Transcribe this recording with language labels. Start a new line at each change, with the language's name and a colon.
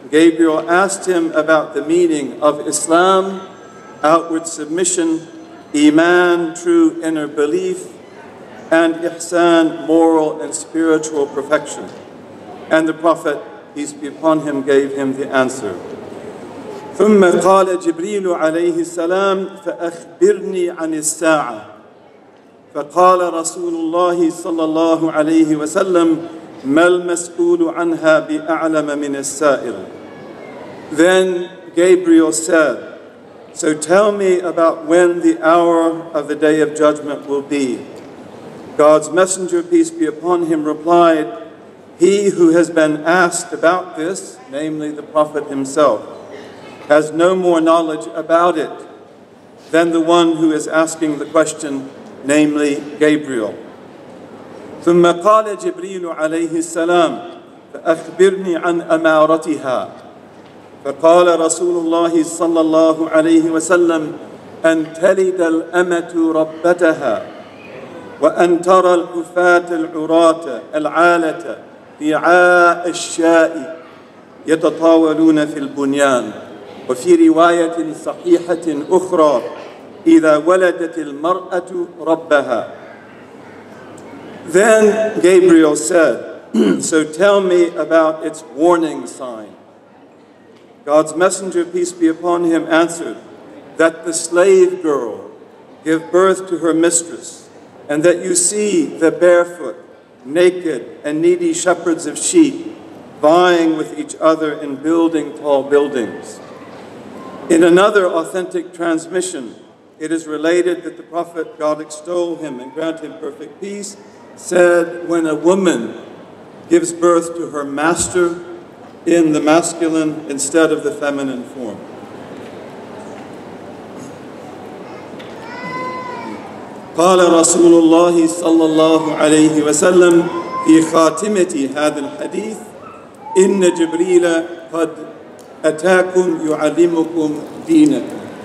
English: Gabriel asked him about the meaning of Islam, outward submission, Iman, true inner belief, and Ihsan, moral and spiritual perfection. And the Prophet, peace be upon him, gave him the answer.
Arabic: ثم قال جبريل عليه السلام فأخبرني عن الساعة فقال رسول الله صلى الله عليه وسلم ما المسؤول عنها بأعلم من السائل.
English: Then Gabriel said, so tell me about when the hour of the Day of Judgment will be. God's Messenger, peace be upon him, replied, he who has been asked about this, namely the Prophet himself, has no more knowledge about it than the one who is asking the question, namely Gabriel.
Arabic: ثم قال جبريل عليه السلام فأخبرني عن أمارتها فقال رسول الله صلى الله عليه وسلم أن تلد الأمة ربتها وأن ترى الحفاة العراة العالة في عاء الشاء يتطاولون في البنيان وفي رواية صحيحة أخرى إذا ولدت المرأة ربها.
English: Then Gabriel said, so tell me about its warning sign. God's Messenger, peace be upon him, answered, that the slave girl give birth to her mistress, and that you see the barefoot, naked, and needy shepherds of sheep vying with each other in building tall buildings. In another authentic transmission, it is related that the Prophet, God extol him and grant him perfect peace, said, when a woman gives birth to her master in the masculine instead of the feminine form.
Arabic: قال رسول الله صلى الله عليه وسلم في خاتمة هذا الحديث إن جبريل قد أتاكم يعلمكم دينكم.